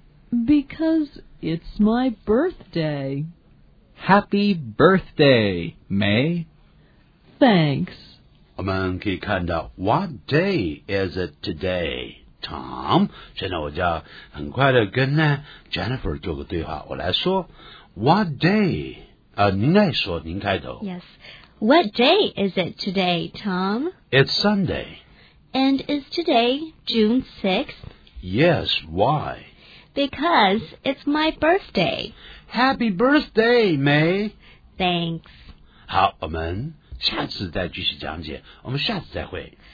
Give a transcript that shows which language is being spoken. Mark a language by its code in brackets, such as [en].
[en] Because it's my birthday. Happy birthday, May. Thanks. [zh] 我们可以看到 [en] What day is it today, Tom? [zh] 现在我就很快的跟呢 Jennifer 做个对话，我来说 [en] What day? [zh] 您来说，您开头。 [en] Yes. What day is it today, Tom? It's Sunday. And is today June 6th? Yes, why? Because it's my birthday. Happy birthday, May. Thanks. [zh] 好，我们下次再继续讲解，我们下次再会。